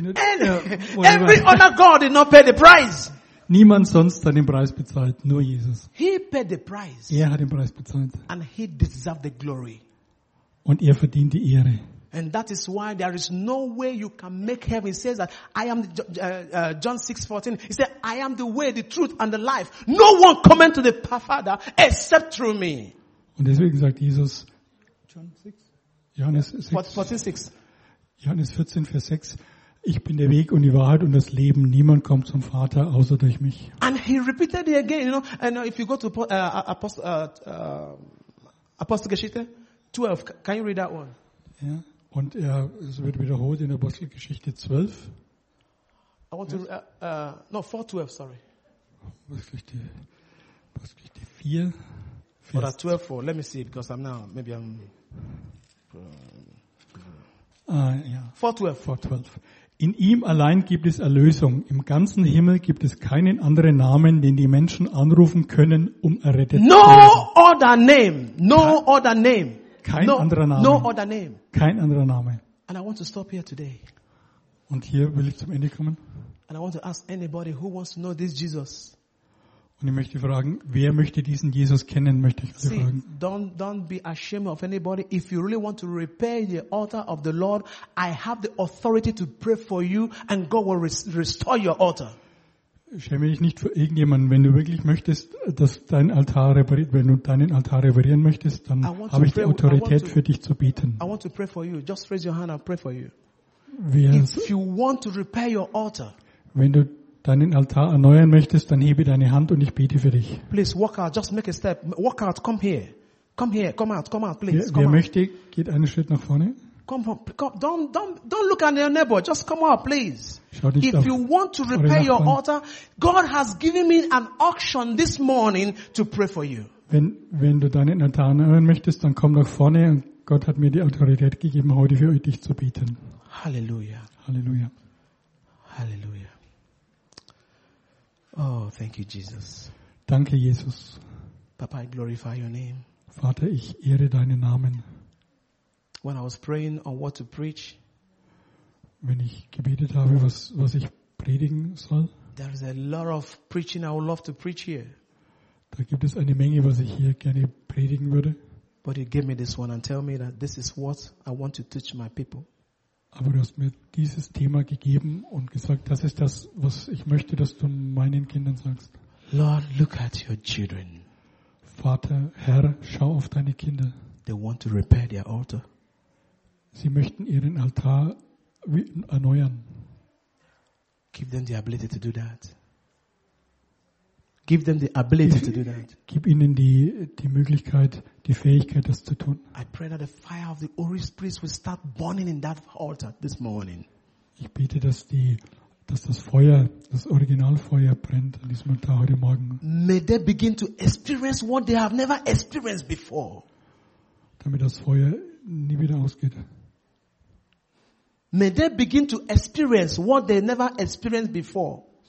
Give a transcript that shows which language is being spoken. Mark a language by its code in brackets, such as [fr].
[en] Every other god did not pay the price. [de] Niemand sonst hat den Preis bezahlt, nur Jesus. [en] He paid the price. [de] Er hat den Preis bezahlt. [en] And he deserved the glory. [de] Und er verdient die Ehre. [en] And that is why there is no way you can make heaven. He says that I am, John 6:14. He said, I am the way, the truth and the life. No one comes to the Father except through me. [de] Und deswegen sagt Jesus, Johannes 14, Vers 6, ich bin der Weg und die Wahrheit und das Leben. Niemand kommt zum Vater außer durch mich. [en] And he repeated it again, you know, and if you go to Apostelgeschichte 12, can you read that one? [de] Ja, und es wird wiederholt in Apostelgeschichte 12. [en] I want to, no, 4:12, sorry. [de] Apostelgeschichte 4. Oder [en] 12:4, let me see, because I'm now, maybe I'm... [de] 4:12. In ihm allein gibt es Erlösung. Im ganzen Himmel gibt es keinen anderen Namen, den die Menschen anrufen können, um errettet [en] no [de] zu werden. [en] No other name. No other name. [de] Kein anderer Name. [en] No other name. [de] Kein anderer Name. [en] And I want to stop here today. [de] Und hier will ich zum Ende kommen. [en] And I want to ask anybody who wants to know this Jesus. [de] Und ich möchte fragen, wer möchte diesen Jesus kennen, möchte ich dir fragen. [en] Don't be ashamed of anybody. If you really want to repair the altar of the Lord, I have the authority to pray for you and God will restore your altar. [de] Schäme dich nicht für irgendjemanden. Wenn du wirklich möchtest, dass dein Altar repariert, wenn du deinen Altar reparieren möchtest, dann habe ich die Autorität für dich zu bieten. [en] I want to pray for you. Just raise your hand and pray for you. If you want to repair your altar, [de] wenn du deinen Altar erneuern möchtest, dann hebe deine Hand und ich bete für dich. [en] Please walk out, just make a step. Walk out, come here. Come here, come out, please. [de] Wer möchte, geht einen Schritt nach vorne. [en] Come, don't look at your neighbor, just come out, please. If you want to repair your altar, God has given me an auction this morning to pray for you. [de] Wenn du deinen Altar erneuern möchtest, dann komm nach vorne und Gott hat mir die Autorität gegeben, heute für dich zu beten. Halleluja. Halleluja. Halleluja. [en] Oh, thank you, Jesus. [de] Danke, Jesus. [en] Papa, I glorify your name. [de] Vater, ich ehre deinen Namen. [en] When I was praying on what to preach, [de] wenn ich gebetet habe, was ich predigen soll, [en] there is a lot of preaching I would love to preach here. [de] Da gibt es eine Menge, was ich hier gerne predigen würde. [en] But you gave me this one and tell me that this is what I want to teach my people. [de] Aber du hast mir dieses Thema gegeben und gesagt, das ist das, was ich möchte, dass du meinen Kindern sagst. [en] Lord, look at your children. [de] Vater, Herr, schau auf deine Kinder. [en] They want to repair their altar. [de] Sie möchten ihren Altar erneuern. [en] Give them the ability to do that. Give them the ability to do that. [de] Gib ihnen die Möglichkeit, die Fähigkeit, das zu tun. [en] I pray that the fire of the Holy Spirit will start burning in that altar this morning. [de] Ich bete, dass das Feuer, das Originalfeuer brennt an diesem Altar heute Morgen. [en] May they begin to experience what they have never experienced before. [de] Damit das Feuer nie wieder ausgeht. [en] May they begin to experience what they never experienced before.